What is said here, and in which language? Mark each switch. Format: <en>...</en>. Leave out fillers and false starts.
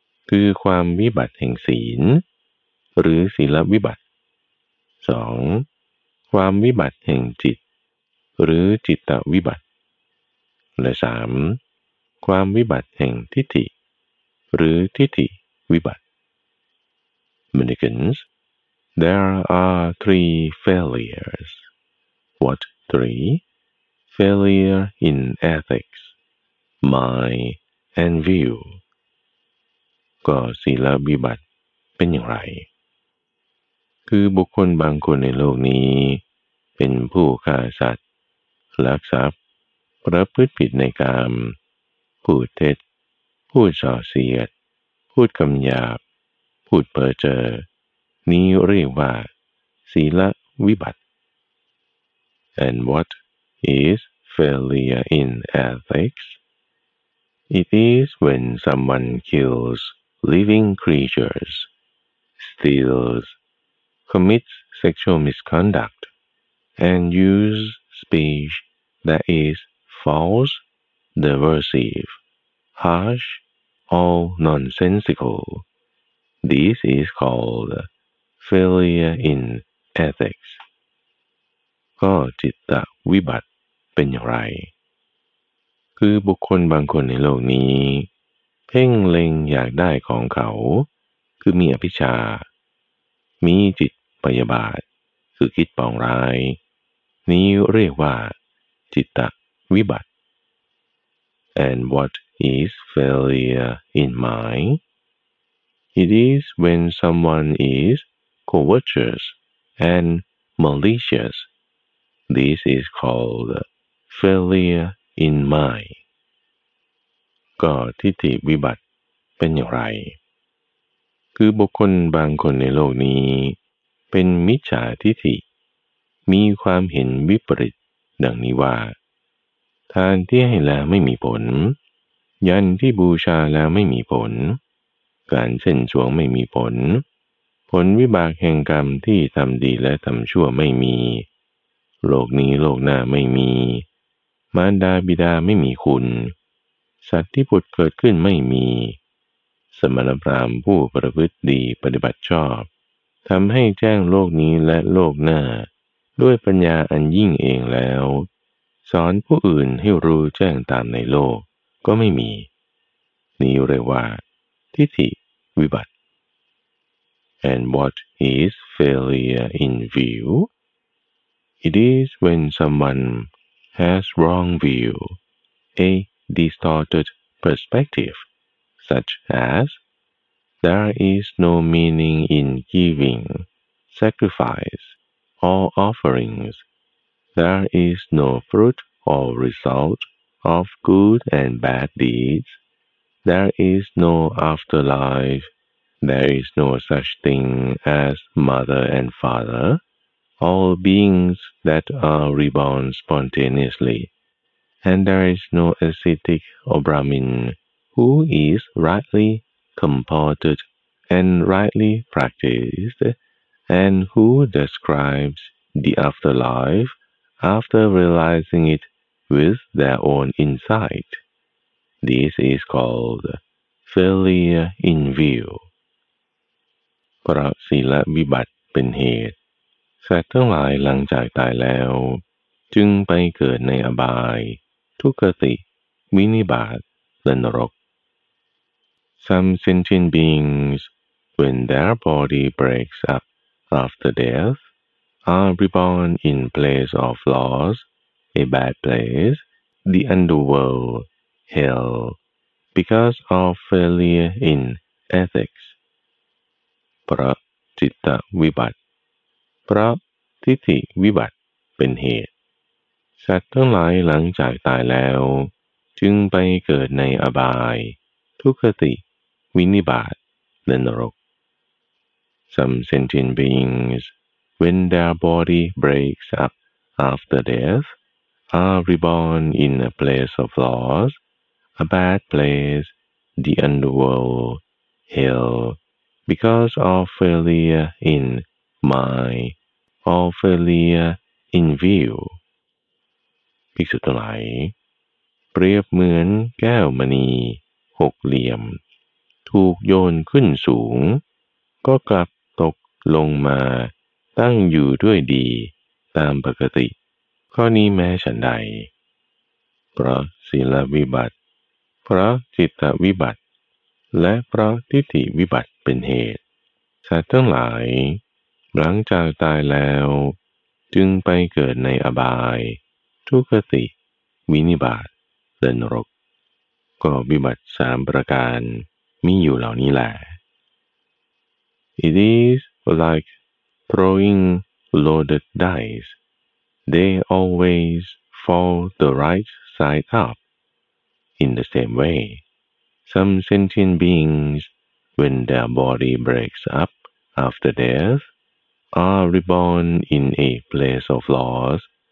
<th>คือความวิบัติแห่งศีลหรือศีลวิบัติ2ความวิบัติแห่งจิตหรือจิตตวิบัติและ3ความวิบัติแห่งทิฏฐิหรือทิฏฐิวิบัติ</th> <en>Mendicants, there are 3 failures. What 3? Failure in ethics, mind, and view.</en> <th>ก็ศีลวิบัติเป็นอย่างไรคือบุคคลบางคนในโลกนี้เป็นผู้ฆ่าสัตว์ลักทรัพย์ประพฤติผิดในกามพูดเท็จพูดส่อเสียดพูดคำหยาบพูดเพ้อเจ้อนี้เรียกว่าศีลวิบัติ</th> <en>And what is failure in ethics? It is when someone kills living creatures, steals, commits sexual misconduct, and use speech that is false, divisive, harsh, or nonsensical. This is called failure in ethics.</en> <th>ก็จิตตวิบัติเป็นอย่างไรคือบุคคลบางคนในโลกนี้เพ่งเล็งอยากได้ของเขาคือมีอภิชฌามีจิตพยาบาทคือคิดปองร้ายนี้เรียกว่าจิตตวิบัติ</th> <en>And what is failure in mindIt is when someone is covetous and malicious. This is called failure in mind.</en> <th>ก็ทิฏฐิวิบัติเป็นอย่างไรคือบุคคลบางคนในโลกนี้เป็นมิจฉาทิฏฐิมีความเห็นวิปริตดังนี้ว่า ทานที่ให้แล้วไม่มีผลยันที่บูชาแล้วไม่มีผลการเส้นช่วงไม่มีผลผลวิบากแห่งกรรมที่ทำดีและทำชั่วไม่มีโลกนี้โลกหน้าไม่มีมารดาบิดาไม่มีคุณสัตว์ที่ผุดเกิดขึ้นไม่มี สมณพราหมณ์ผู้ประพฤติดีปฏิบัติชอบทำให้แจ้งโลกนี้และโลกหน้าด้วยปัญญาอันยิ่งเองแล้วสอนผู้อื่นให้รู้แจ้งตามในโลกก็ไม่มีนี้เรียกว่าทิฏฐิวิบัติ</th> <en>And what is failure in view? It is when someone has wrong view, a distorted perspective, such as there is no meaning in giving, sacrifice, or offerings. There is no fruit or result of good and bad deeds. There is no afterlife. There is no such thing as mother and father, all beings that are reborn spontaneously. And there is no ascetic or Brahmin who is rightly comported and rightly practiced, and who describes the afterlife after realizing it with their own insight. This is called failure in view.</en> <th>เพราะศีลวิบัติเป็นเหตุสัตว์ทั้งหลายหลังจากตายแล้วจึงไปเกิดในอบายทุกขติวินิบาตและนรก</th> <en>Some sentient beings, when their body breaks up after death, are reborn in place of loss, a bad place, the underworld. Hell, because of failure in ethics.</en> <th>เพราะจิตวิบัติเพราะทิฏฐิวิบัติเป็นเหตุ สัตว์ทั้งหลายหลังจากตายแล้วจึงไปเกิดในอบายทุคติวินิบาตและนรก</th> <en>Some sentient beings, when their body breaks up after death, are reborn in a place of loss, a bad place, the underworld, hell, because of failure in mind or failure in view.</en> <th>ภิกษุทั้งหลายเปรียบเหมือนแก้วมณีหกเหลี่ยมถูกโยนขึ้นสูงก็กลับตกลงมาตั้งอยู่ด้วยดีตามปกติข้อนี้แม้ฉันใด เพราะศีลวิบัติเพราะจิตวิบัติและเพราะทิฏฐิวิบัติเป็นเหตุสัตว์ทั้งหลายหลังจากตายแล้วจึงไปเกิดในอบายทุคติวินิบาตและนรกก็วิบัติสามประการมีอยู่เหล่านี้แหละ</th> <en>It is like throwing loaded dice. They always fall the right side up. In the same way, some sentient beings, when their body breaks up after death, are reborn in a place of loss.</en>